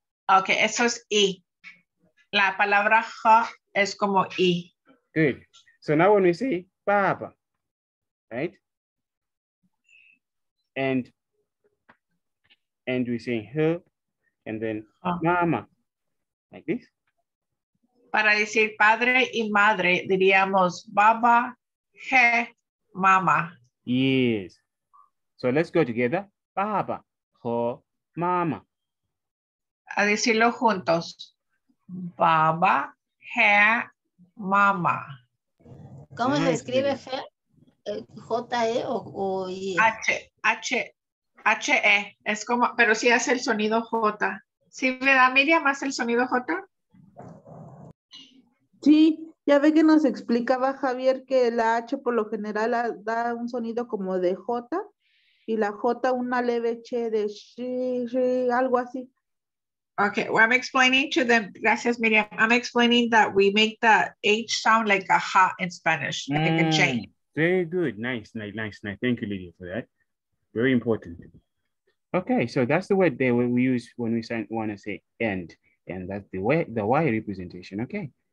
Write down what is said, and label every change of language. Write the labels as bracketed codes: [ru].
[es] Okay, eso es I. La palabra ha es como I. [en] Good. So now when we say Baba, right? And we say her, and then mama, like this. [es] Para decir padre y madre, diríamos baba, he, mama. [en] Yes. So let's go together. Baba, ho, mama. [es] A decirlo juntos. Baba, he, mama. ¿Cómo se escribe he? J-E o I-E? H-E. Es como, pero sí hace el sonido J. Ah, ¿Sí me da Miriam más el sonido J? Sí, ya ve que nos explicaba Javier que la H por lo general da un sonido como de J y la J una leve Ch de sh, sh, algo así. [en] Okay, well, I'm explaining to them, [es] gracias Miriam, [en] I'm explaining that we make the H sound like a ha in Spanish, like a chain. Very good, nice. Thank you, Lydia, for that. Very important. Okay, so that's the word that we use when we want to say end, and that's the way, the Y representation, okay.